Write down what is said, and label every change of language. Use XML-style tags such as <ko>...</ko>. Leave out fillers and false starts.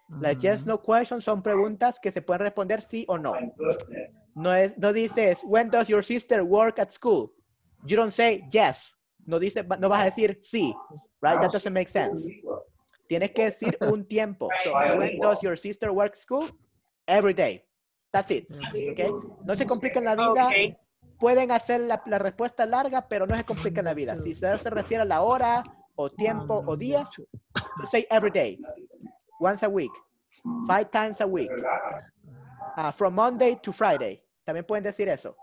<es>Las yes no questions son preguntas que se pueden responder sí o no. No es, no dices,</es> <en>when does your sister work at school? You don't say yes.</en> <es>No dice, no vas a decir sí,</es> <en>right? That doesn't make sense.</en> <es>Tienes que decir un tiempo.</es> <en>So, when does your sister work at school? Every day. That's it. Okay.</en> <es>No se compliquen la vida.</es> <en>Okay.</en> <es>Pueden hacer la respuesta larga, pero no se compliquen la vida. Si se refiere a la hora, o tiempo, o días,</es> <en>say every day. Once a week.</en> <es>Five times a week.</es> <en>From Monday to Friday.</en> <es>También pueden decir eso.</es>